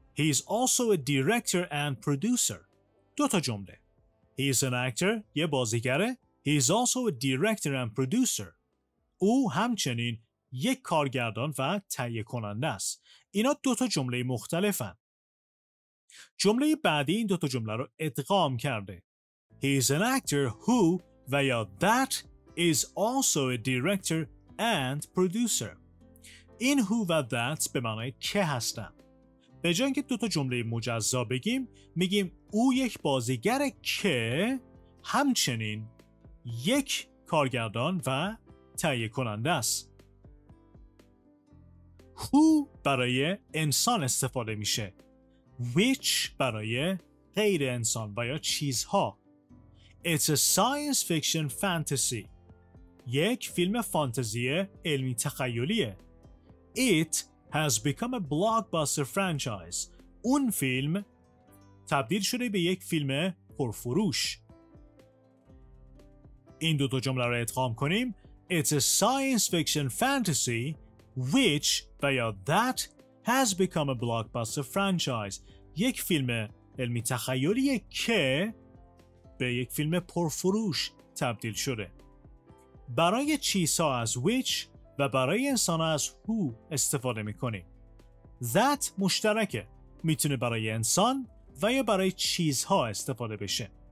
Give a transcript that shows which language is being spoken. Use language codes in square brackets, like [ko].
[en] He is also a director and producer. [fa] دو تا جمله. [en] He is an actor. [fa] یه بازیگره. [en] He is also a director and producer. [fa] او همچنین یک کارگردان و تهیه کننده است. اینا دو تا جمله مختلفن. جمله بعدی این دو تا جمله رو ادغام کرده. [en] He is an actor who [fa] و یا [en] that is also a director and producer. [fa] این who و that به معنای که هستن. به جای اینکه دو تا جمله مجزا بگیم، میگیم او یک بازیگر که همچنین یک کارگردان و تهیه کننده است. Who برای انسان استفاده میشه. Which برای غیر انسان و یا چیزها. [en] It's a science fiction fantasy. [fa] یک فیلم فانتزی علمی تخیلیه. [en] It has become a blockbuster franchise. [fa] اون فیلم تبدیل شده به یک فیلم پرفروش. این دو تا جمله رو ادغام کنیم. [en] It's a science fiction fantasy which by that has become a blockbuster franchise. [fa] یک فیلم علمی تخیلیه که به یک فیلم پرفروش تبدیل شده. برای چیزها از which و برای انسان از who استفاده میکنی. That مشترکه. میتونه برای انسان و یا برای چیزها استفاده بشه.